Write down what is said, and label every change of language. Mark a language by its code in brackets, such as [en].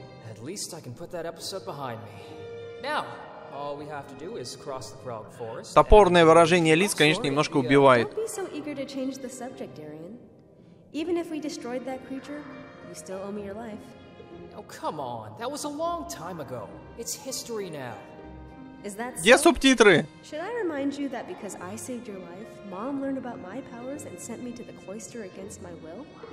[en] At least I can put that episode behind me. Now, all we have to do is cross the frog forest. [ru] Топорное выражение лиц, конечно, немножко убивает. [en] Don't be so eager to change the subject, Darian. Even if we destroyed that creature, you still owe me your life. Oh, come on. That was a long time ago. It's history now. [ru] Где субтитры? [en] Should I remind you that because I saved your life, Mom learned about my powers and sent me to the cloister against my will?